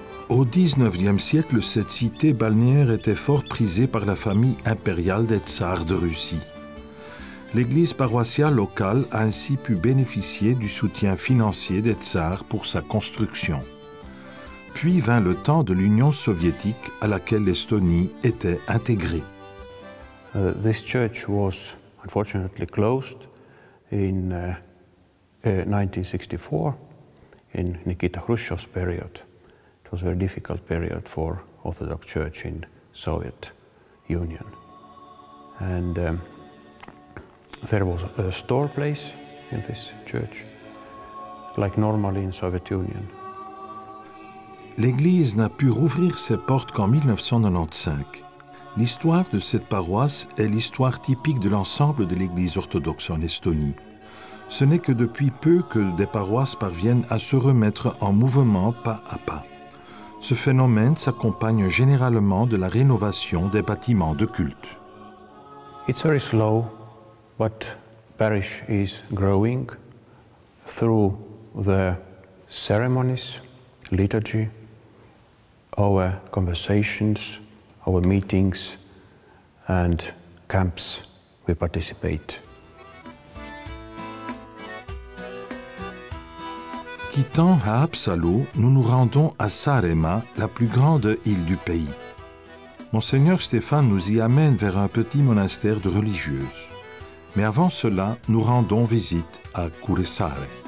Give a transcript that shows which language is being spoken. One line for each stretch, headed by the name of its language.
French: Au XIXe siècle, cette cité balnéaire était fort prisée par la famille impériale des tsars de Russie. L'église paroissiale locale a ainsi pu bénéficier du soutien financier des tsars pour sa construction. Puis vint le temps de l'Union soviétique à laquelle l'Estonie était intégrée.
English: This church was unfortunately closed in 1964 in Nikita Khrushchev's period. It was a very difficult period for Orthodox Church in Soviet Union. And there was a store place in this church, like normally in Soviet Union.
French: L'église n'a pu rouvrir ses portes qu'en 1995. L'histoire de cette paroisse est l'histoire typique de l'ensemble de l'église orthodoxe en Estonie. Ce n'est que depuis peu que des paroisses parviennent à se remettre en mouvement pas à pas. Ce phénomène s'accompagne généralement de la rénovation des bâtiments de culte.
English: It's very slow, but parish is growing through the ceremonies, liturgy, our conversations, our meetings and camps we participate.
French: Quittant Haapsalu, nous nous rendons à Saaremaa, la plus grande île du pays. Monseigneur Stéphane nous y amène vers un petit monastère de religieuses. Mais avant cela, nous rendons visite à Kuressaare.